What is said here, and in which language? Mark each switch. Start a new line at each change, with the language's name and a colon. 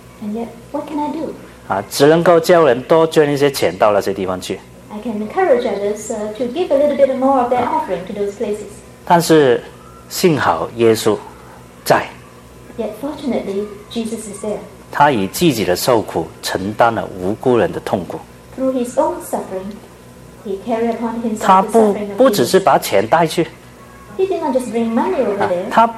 English: And yet, what can I do?
Chinese: 只能够叫人多捐一些钱到那些地方去。
English: I can encourage others to give a little bit more of their offering to those places.
Chinese: 但是幸好耶稣在。
English: Yet fortunately, Jesus is there.
Chinese: 他以自己的受苦承担了无辜人的痛苦。
English: Through his own suffering, he carried upon himself the suffering of Jesus.
Chinese: 他不只是把钱带去。
English: He did not just bring money over there.